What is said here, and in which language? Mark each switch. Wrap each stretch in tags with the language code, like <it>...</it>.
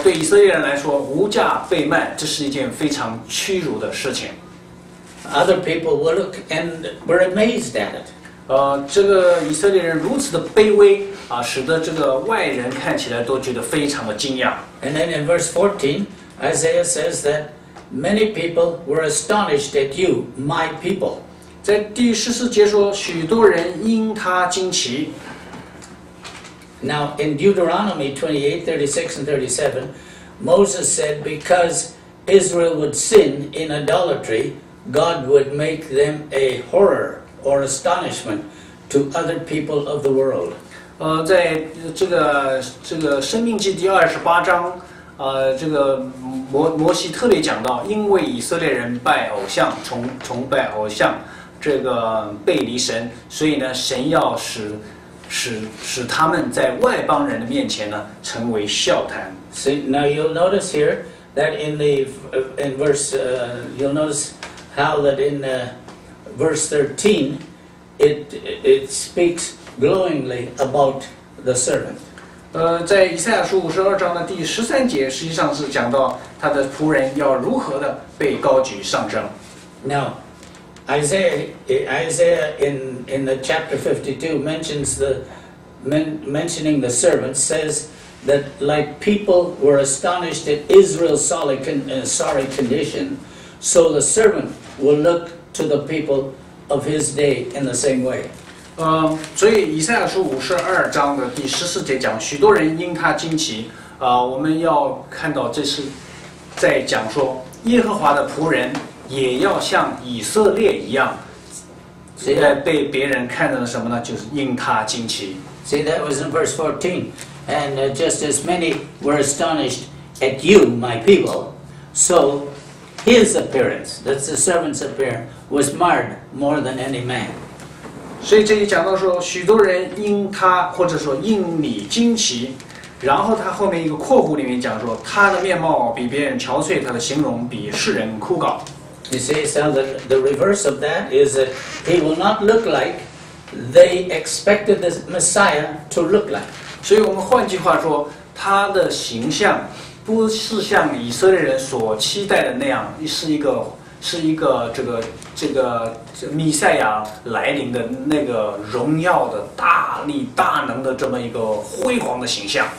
<zh>对以色列人来说，无价被卖，这是一件非常屈辱的事情。</zh> <en>Other people will look and were amazed at it.</en> <zh>这个以色列人如此的卑微。使得这个外人看起来都觉得非常的惊讶。</zh> <en>And then in verse 14, Isaiah says that many people were astonished at you, my people.</en> <zh>在第十四节说，许多人因他惊奇。</zh> <en>Now in Deuteronomy 28, 36 and 37, Moses said because Israel would sin in idolatry, God would make them a horror or astonishment to other people of the world.</en> <zh>在这个《申命记》第28章，这个摩西特别讲到，因为以色列人拜偶像，崇拜偶像，这个背离神，所以呢，神要使他们在外邦人的面前呢，成为笑谈。</zh> <en>See, now you'll notice here that you'll notice how that in verse 13, it speaks. Glowingly about the servant.</en> <zh>在以赛亚书52章的第13节，实际上是讲到他的仆人要如何的被高举上升。</zh> <en>Now, Isaiah in the chapter 52 mentioning the servant says that like people were astonished at Israel's sorry condition, so the servant will look to the people of his day in the same way.</en> <zh>所以以赛亚书五十二章的第十四节讲，许多人因他惊奇。我们要看到这是在讲说，耶和华的仆人也要像以色列一样，应该被别人看到了什么呢？就是因他惊奇。</zh> <en>See, that was in verse 14. And just as many were astonished at you, my people, so his appearance, that's the servant's appearance, was marred more than any man.</en> <zh>所以这里讲到说，许多人因他或者说因你惊奇，然后他后面一个括弧里面讲说，他的面貌比别人憔悴，他的形容比世人枯槁。</zh> <en>You see, so the reverse of that is that he will not look like they expected the Messiah to look like.</en> <zh>所以我们换句话说，他的形象不是像以色列人所期待的那样，是一个这个弥赛亚来临的那个荣耀的大力大能的这么一个辉煌的形象。</zh>